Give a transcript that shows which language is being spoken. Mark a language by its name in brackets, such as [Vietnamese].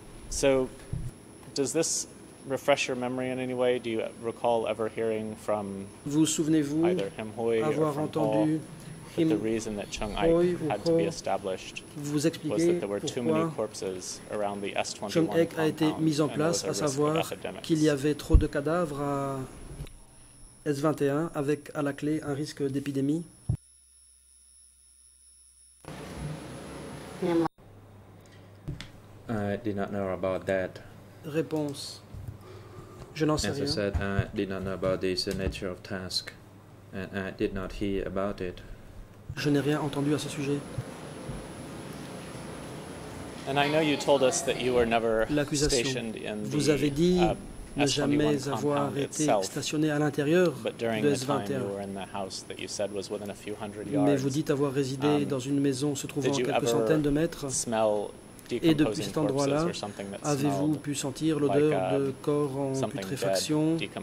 [English] So, does this refresh your memory in any way? Do you recall ever hearing from either Him Hui or from Paul? That the reason that Chiang Ai had to be established was that there were too many corpses around the S21 compound, and there was a risk of epidemics. [French] Qu'il y avait trop de cadavres à S21 avec à la clé un risque d'épidémie. [English] I did not know about that. [French] Réponse. Je n'en sais rien. [English] As I said, I did not know about this nature of task, and I did not hear about it. [French] Je n'ai rien entendu à ce sujet. [English] And I know you told us that you were never stationed in the [French] Vous avez dit ne jamais avoir été stationné à l'intérieur de S21. Mais vous dites avoir résidé dans une maison se trouvant à quelques centaines de mètres. Et depuis cet endroit-là, avez-vous pu sentir l'odeur de corps en putréfaction?